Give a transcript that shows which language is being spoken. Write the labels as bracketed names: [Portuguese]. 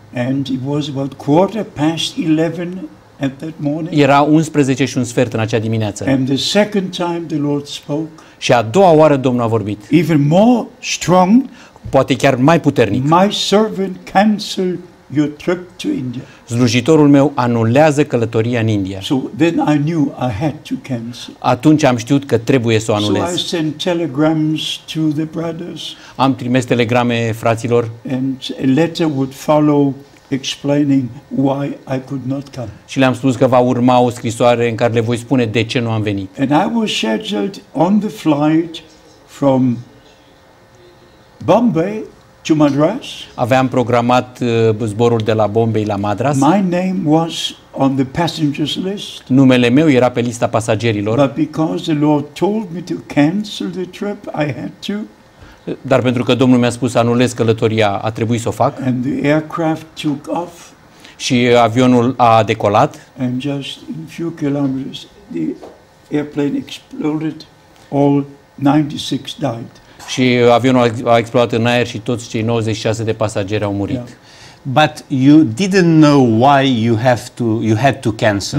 [English] And it was about quarter past 11 at that morning. [Romanian] Era 11 și un sfert în acea dimineață. [English] And the second time the Lord spoke, [Romanian] și a doua oară Domnul a vorbit. [English] Even more strong, [Romanian] poate chiar mai puternic. [English] My servant canceled your trip to India. [Romanian] Slujitorul meu anulează călătoria în India. [English] So then I knew I had to cancel. [Romanian] Atunci am știut că trebuie să o anulez. [English] So I sent telegrams to the brothers. [Romanian] Am trimis telegrame fraților. [English] And a letter would follow explaining why I could not come. [Romanian] Și le-am spus că va urma o scrisoare în care le voi spune de ce nu am venit. [English] And I was scheduled on the flight from Bombay to Madras. [Romanian] Aveam programat zborul de la Bombay la Madras. [English] My name was on the passengers list. [Romanian] Numele meu era pe lista pasagerilor. [English] But because the Lord told me to cancel the trip, I had to. [Romanian] Dar pentru că Domnul mi-a spus să anulez călătoria, a trebuit să o fac. [English] And the aircraft took off. [Romanian] Și avionul a decolat. [English] And just in few kilometers the airplane exploded, all 96 died. [Romanian] Și avionul a explodat în aer și toți cei 96 de pasageri au murit. [English] Yeah. But you didn't know why you had to cancel.